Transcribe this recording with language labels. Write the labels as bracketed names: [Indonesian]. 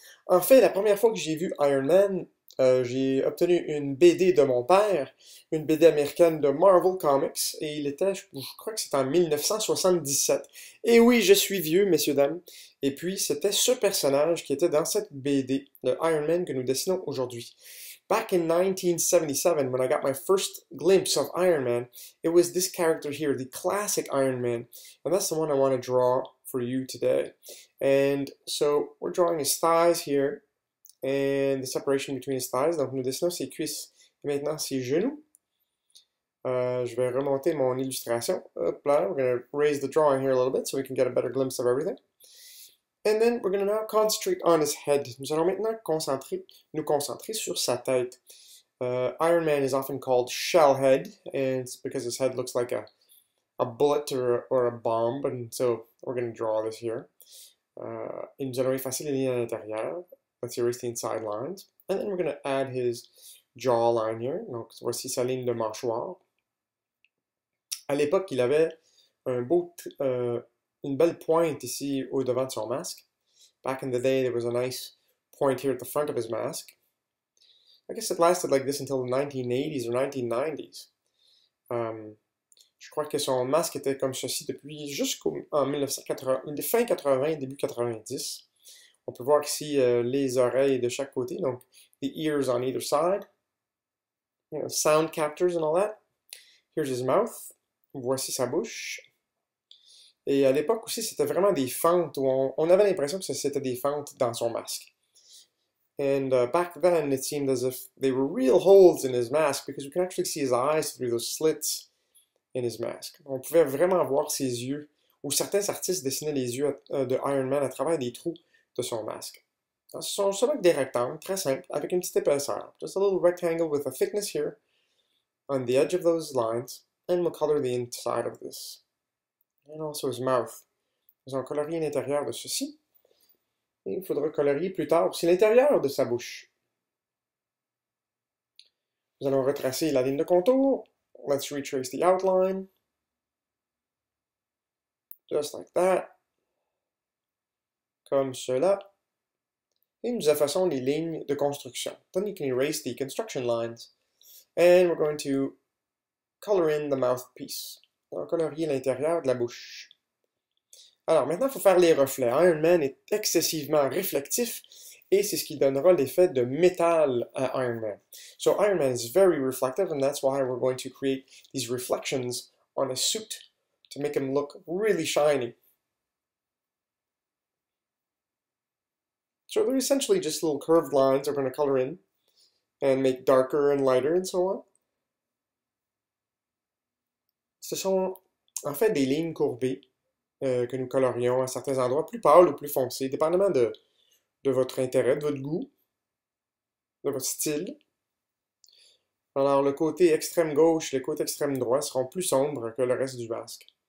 [French] En fait, la première fois que j'ai vu Iron Man, j'ai obtenu une BD de mon père, une BD américaine de Marvel Comics, et il était, je crois que c'était en 1977. Et oui, je suis vieux, messieurs, dames. Et puis, c'était ce personnage qui était dans cette BD, le Iron Man que nous dessinons aujourd'hui. [English] Back in 1977, when I got my first glimpse of Iron Man, it was this character here, the classic Iron Man. And that's the one I want to draw for you today. And so we're drawing his thighs here and the separation between his thighs. [French] Donc nous dessinons ses cuisses et maintenant ses genoux. Je vais remonter mon illustration. Hop là, [English] we're going to raise the drawing here a little bit so we can get a better glimpse of everything. And then we're going to now concentrate on his head. [French] Nous allons maintenant nous concentrer sur sa tête. [English] Iron Man is often called shell head, and it's because his head looks like a bullet or a bomb, and so we're going to draw this here. [French] Et nous allons effacer les lignes à l'intérieur. [English] Let's erase the inside lines. And then we're going to add his jawline here. [French] Donc voici sa ligne de mâchoire. À l'époque, il avait une belle pointe ici au devant de son masque. [English] Back in the day, there was a nice point here at the front of his mask. I guess it lasted like this until the 1980s or 1990s. [French] Je crois que son masque était comme ceci depuis jusqu'en 1980, fin 80, début 90. On peut voir ici les oreilles de chaque côté, donc [English] the ears on either side. You know, sound captors and all that. Here's his mouth. [French] Voici sa bouche. Et à l'époque aussi, c'était vraiment des fentes où on avait l'impression que c'était des fentes dans son masque. [English] And back then, it seemed as if they were real holes in his mask because we can actually see his eyes through those slits in his mask. [French] On pouvait vraiment voir ses yeux, ou certains artistes dessinaient les yeux de Iron Man à travers des trous de son masque. Alors, ce sont seulement des rectangles, très simples, avec une petite épaisseur. [English] Just a little rectangle with a thickness here on the edge of those lines, and we'll color the inside of this. And also his mouth. [French] Nous allons colorier l'intérieur de ceci. Et il faudra colorier plus tard aussi l'intérieur de sa bouche. Nous allons retracer la ligne de contour. [English] Let's retrace the outline. Just like that. [French] Comme cela. Et nous effaçons les lignes de construction. [English] Then you can erase the construction lines. And we're going to color in the mouthpiece. [French] On va colorier l'intérieur de la bouche. Alors, maintenant, il faut faire les reflets. Iron Man est excessivement réflectif et c'est ce qui donnera l'effet de métal à Iron Man. [English] So, Iron Man is very reflective and that's why we're going to create these reflections on a suit to make him look really shiny. So, they're essentially just little curved lines we're going to color in and make darker and lighter and so on. [French] Ce sont en fait des lignes courbées que nous colorions à certains endroits, plus pâles ou plus foncées, dépendamment de votre intérêt, de votre goût, de votre style. Alors, le côté extrême gauche et le côté extrême droit seront plus sombres que le reste du masque.